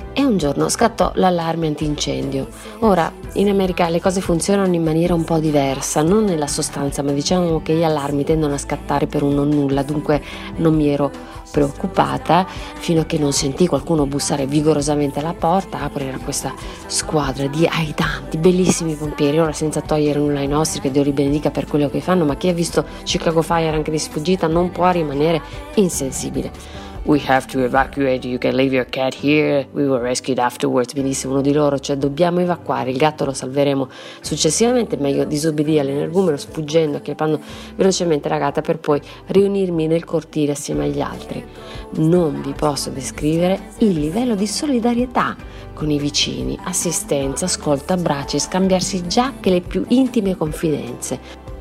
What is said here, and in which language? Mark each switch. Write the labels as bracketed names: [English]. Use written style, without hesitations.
[Italian] E un giorno scattò l'allarme antincendio. Ora, in America le cose funzionano in maniera un po' diversa, non nella sostanza, ma diciamo che gli allarmi tendono a scattare per un non nulla, dunque non mi ero preoccupata fino a che non sentì qualcuno bussare vigorosamente alla porta, aprire questa squadra di aidanti, bellissimi pompieri, ora senza togliere nulla ai nostri, che Dio li benedica per quello che fanno, ma chi ha visto Chicago Fire anche di sfuggita non può rimanere insensibile. [English] We have to evacuate, you can leave your cat here, we will rescue it afterwards. [Italian] Mi disse uno di loro, cioè dobbiamo evacuare, il gatto lo salveremo successivamente, meglio disobbedire all'energumeno sfuggendo, acchiappando velocemente la gatta per poi riunirmi nel cortile assieme agli altri. Non vi posso descrivere il livello di solidarietà con i vicini, assistenza, ascolto, abbracci, scambiarsi giacche, le più intime confidenze.